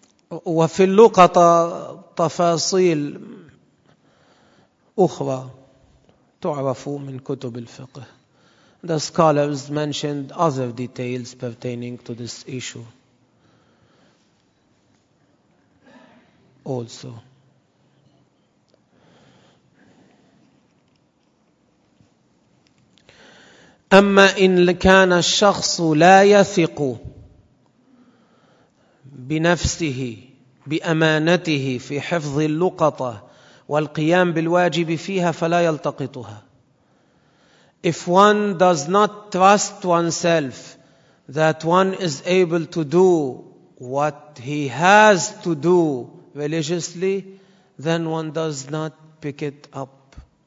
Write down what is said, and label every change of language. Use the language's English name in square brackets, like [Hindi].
[Arabic] وفي اللقطة تفاصيل أخرى تعرف من كتب الفقه. [English] The scholars mentioned other details pertaining to this issue also. [Arabic] أما إن كان الشخص لا يثق بنفسه بأمانته في حفظ اللقطة والقيام بالواجب فيها فلا يلتقطها. [English] If one does not trust oneself that one is able to do what he has to do religiously, then one does not pick it up.